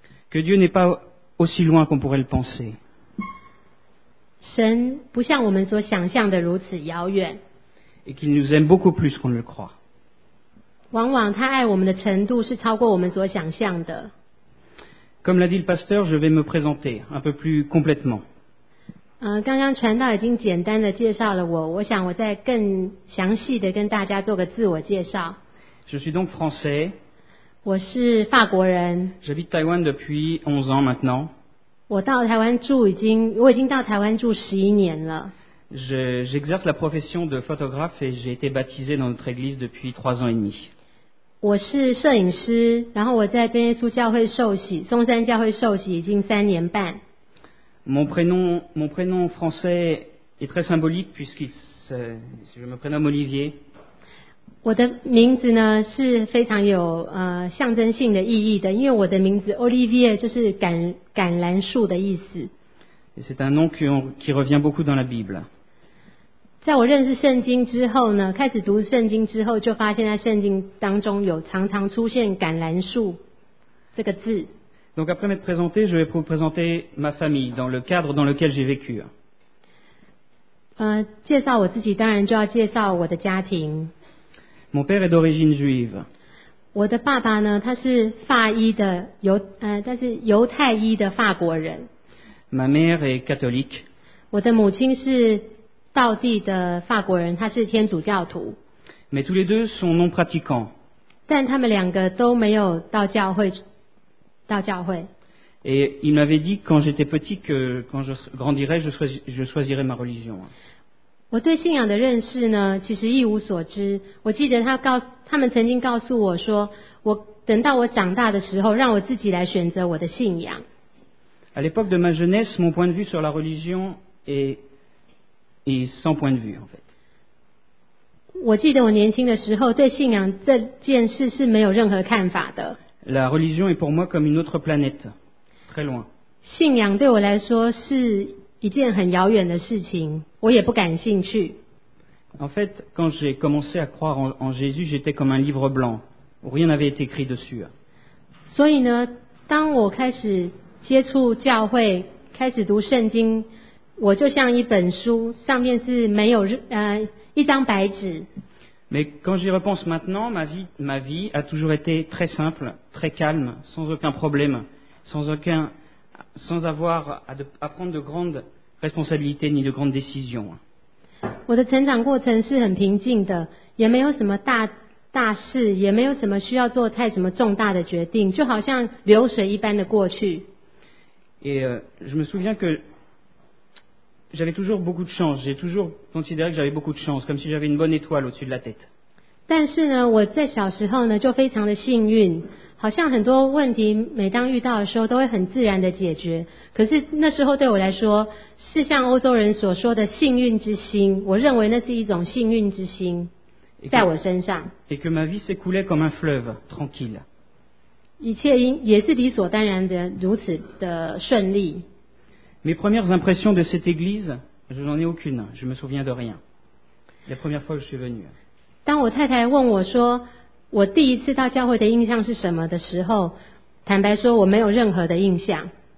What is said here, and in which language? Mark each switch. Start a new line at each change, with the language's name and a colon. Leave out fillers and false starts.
French: Que Dieu n'est pas aussi loin qu'on pourrait le penser. Et qu'il nous aime beaucoup plus qu'on ne le croit. Comme l'a dit le pasteur, je vais me présenter un peu plus complètement.
Chinese: 刚刚传道已经简单的介绍了我，我想我再更详细的跟大家做个自我介绍。
French: Je suis donc français.
Chinese: 我是法国人。
French: J'habite Taiwan depuis 11 ans maintenant.
Chinese: 我已经到台湾住11年了。
French: J'exerce la profession de photographe et j'ai été baptisé dans notre église depuis 3 ans et demi.
Chinese: 我是摄影师，然后我在真耶稣教会受洗，松山教会受洗已经3年半。
French: Mon prénom français est très symbolique puisque je me prénomme Olivier.
Chinese: 我的名字呢是非常有象征性的意义的，因为我的名字 Olivier 就是橄榄树的意思。
French: Et c'est un nom qui revient beaucoup dans la Bible.
Chinese: 在我认识圣经之后呢，开始读圣经之后，就发现在圣经当中有常常出现橄榄树这个字。
French: Donc après m'être présenté, je vais vous présenter ma famille dans le cadre dans lequel j'ai vécu.
Chinese: 介绍我自己当然就要介绍我的家庭。
French: Mon père est d'origine juive.
Chinese: 我的爸爸呢，他是法裔的犹但是犹太裔的法国人。
French: Ma mère est catholique.
Chinese: 我的母亲是道地的法国人，他是天主教徒。
French: Mais tous les deux sont non pratiquants.
Chinese: 但他们两个都没有到教会。
French: Et il m'avait dit quand j'étais petit que quand je grandirais, je choisirais ma religion.
Chinese: 我对信仰的认识呢，其实一无所知。我记得他们曾经告诉我说，我等到我长大的时候，让我自己来选择我的信仰。
French: À l'époque de ma jeunesse, mon point de vue sur la religion est sans point de vue, en fait.
Chinese: 我记得我年轻的时候对信仰这件事是没有任何看法的。
French: La religion est pour moi comme une autre planète, très loin.
Chinese: 信仰对我来说是一件很遥远的事情，我也不感兴趣。
French: En fait, quand j'ai commencé à croire en Jésus, j'étais comme un livre blanc, où rien n'avait été écrit dessus.
Chinese: 所以呢，当我开始接触教会，开始读圣经，我就像一本书，上面是没有一张白纸。
French: Mais quand j'y repense maintenant, ma vie a toujours été très simple, très calme, sans aucun problème, sans avoir à prendre de grandes responsabilités ni de grandes décisions.
Chinese: 我的成长过程是很平静的，也没有什么大事，也没有什么需要做太什么重大的决定，就好像流水一般的过去。
French: Et je me souviens que j'avais toujours beaucoup de chance. J'ai toujours considéré que j'avais beaucoup de chance, comme si j'avais une bonne étoile au-dessus de la tête.
Chinese: 但是呢，我在小时候呢就非常的幸运，好像很多问题每当遇到的时候都会很自然的解决。可是那时候对我来说是像欧洲人所说的幸运之心，我认为那是一种幸运之心在我身上。
French: Et que ma vie s'écoulait comme un fleuve, tranquille.
Chinese: 一切也是理所当然的如此的顺利。
French: Mes premières impressions de cette église, je n'en ai aucune. Je me souviens de rien. La première fois que je suis venu.
Chinese: 当我太太问我说我第一次到教会的印象是什么的时候，坦白说我没有任何的印象。